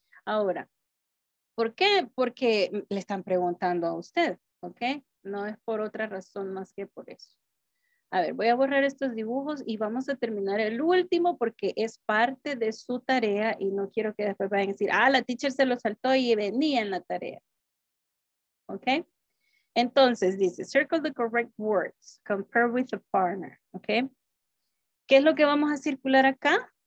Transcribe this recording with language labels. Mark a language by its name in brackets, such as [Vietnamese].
[Spanish] Ahora, ¿por qué? Porque le están preguntando a usted, ¿ok? No es por otra razón más que por eso. A ver, voy a borrar estos dibujos y vamos a terminar el último porque es parte de su tarea y no quiero que después vayan a decir, ah, la teacher se lo saltó y venía en la tarea. ¿Ok? Entonces, dice, [English] circle the correct words, compare with a partner. [Spanish] ¿Ok? ¿Qué es lo que vamos a circular acá?